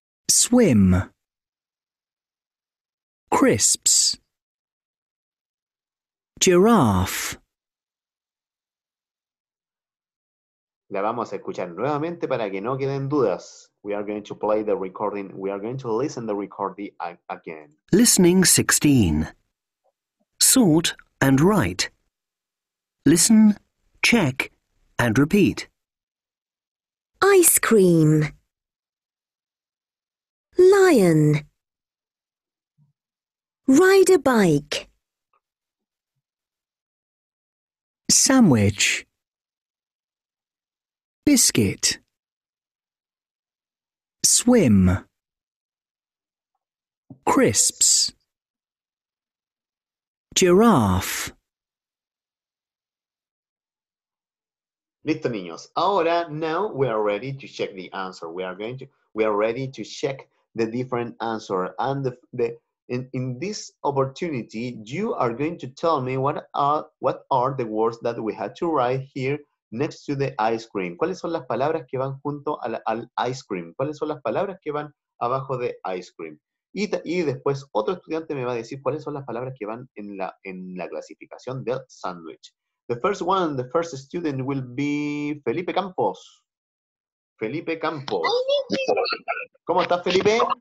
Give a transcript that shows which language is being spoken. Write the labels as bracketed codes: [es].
[en] Swim. Crisps. Giraffe. [es] La vamos a escuchar nuevamente para que no queden dudas. [en] We are going to play the recording. We are going to listen the recording again. Listening 16. Sort and write. Listen, check, and repeat. Ice cream. Lion. Ride a bike. Sandwich. Biscuit. Swim. Crisps. Giraffe. [es] Listo, niños. [en] Ahora, now we are ready to check the answer. We are ready to check the different answer. And in this opportunity, you are going to tell me what are the words that we had to write here next to the ice cream. [es] ¿Cuáles son las palabras que van junto al ice cream? ¿Cuáles son las palabras que van abajo de ice cream? Y después otro estudiante me va a decir cuáles son las palabras que van en la clasificación del sandwich. [en] The first one, the first student will be Felipe Campos. Felipe Campos. [es] ¿Cómo estás, [en] Felipe?